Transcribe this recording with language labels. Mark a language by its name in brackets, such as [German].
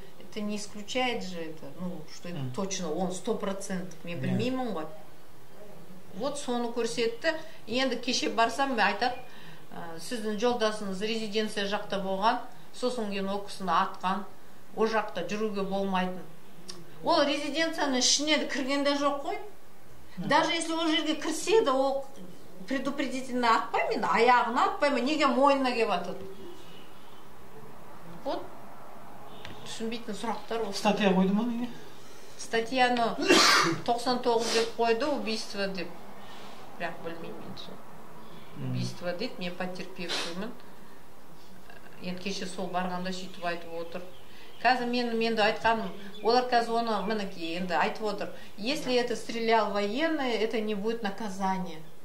[Russian] Это не исключает же это, ну, что это точно, он 100%. [Kazakh] Мен білмеймін ғой. Вот соны көрсетті. Енді кеше барсам, мен айтады, сіздің жолдасыңыз резиденция жақта болған, сосын кейін ол кісіні атқан, ол жақта жүруге болмайтын. Ол резиденцияның ішіне кіргенде жоқ қой. [Russian] Даже если [Kazakh] ол жерге кірсе де, ол предупредительно атпаймын, аяғына атпаймын, неге мойнына келіп атады. Вот түсінбейтін сұрақтар осы. Статья қойды ма неге? Статьяны 99 деп қойды, убийство деп. Бірақ білмеймін мен сол. Убийство дейді, мен потерпевшімін. Енді кеше сол барғанда сөйтіп айтып отыр. Қазір мен де айтқаным, олар қазір оны мінекей енді айтып отыр. [Russian] Если это стрелял военный, это не будет наказание.